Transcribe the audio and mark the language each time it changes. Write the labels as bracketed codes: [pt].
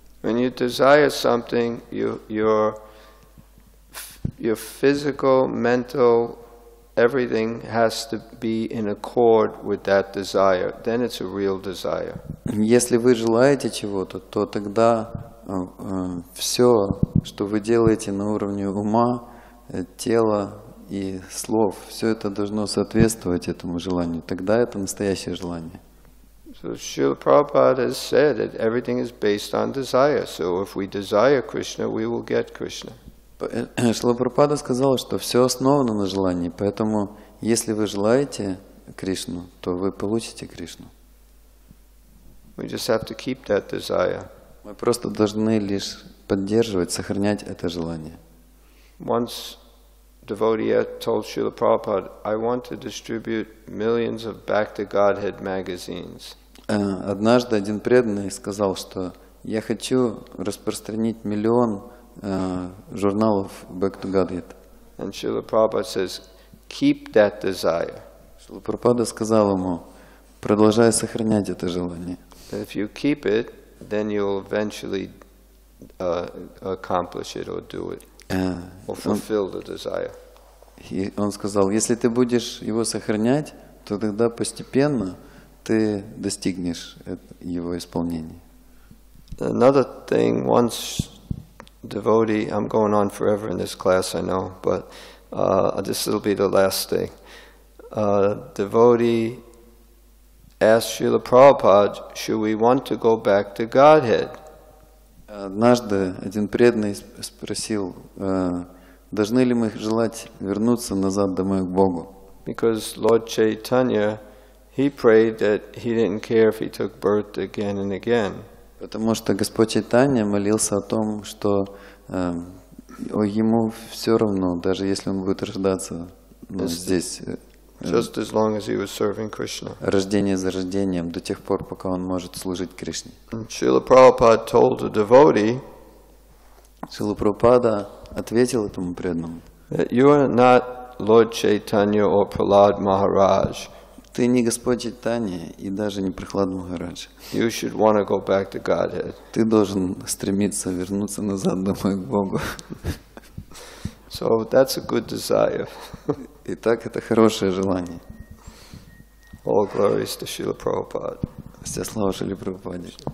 [en] When you desire something, your physical, mental, everything has to be in accord with that desire. Then it's a real desire. [ru] Если вы желаете чего-то, то тогда все, что вы делаете на уровне ума, тела и слов, все это должно соответствовать этому желанию. Тогда это настоящее желание. [en] So Srila Prabhupada has said that everything is based on desire. So if we desire Krishna, we will get Krishna. [ru] Шрила Прабхупада сказал, что все основано на желании, поэтому если вы желаете Кришну, то вы получите Кришну. [en] We just have to keep that desire. [ru] Мы просто должны лишь поддерживать, сохранять это желание. [en] Once devotee told Srila Prabhupada, I want to distribute millions of Bhakti Godhead magazines. [ru] Однажды один преданный сказал, что я хочу распространить миллион журналов Back to Godhead. [en] And Srila Prabhupada says, keep that desire. [ru] Srila Prabhupada сказал ему, продолжай сохранять это желание. [en] But if you keep it, then you'll eventually accomplish it or do it, or fulfill the desire. [ru] И он сказал, если ты будешь его сохранять, то тогда постепенно ты достигнешь его исполнения. [en] Another thing, once devotee, I'm going on forever in this class, I know, but this will be the last thing. Devotee asked Srila Prabhupada, should we want to go back to Godhead? [ru] Однажды один преданный спросил, должны ли мы желать вернуться назад домой к Богу? [en] Because Lord Chaitanya, he prayed that he didn't care if he took birth again and again. [ru] Потому что Господь Чайтанья молился о том, что ему все равно, даже если он будет рождаться здесь, [en] just as long as he was serving Krishna. [ru] Рождение за рождением, до тех пор, пока он может служить Кришне. [en] Srila Prabhupada told the devotee, [ru] Srila Prabhupada ответил этому преданному, [en] that you are not Lord Chaitanya or Prahlad Maharaj. [ru] Ты не Господь Чайтанья и даже не Прахлад Махарадж. [en] You should want to go back to Godhead. [ru] Ты должен стремиться вернуться назад домой к Богу. [en] So that's a good desire. [ru] Итак, это хорошее желание. [en] All glories to Srila Prabhupada. [ru] Вся слава Шриле Прабхупаде.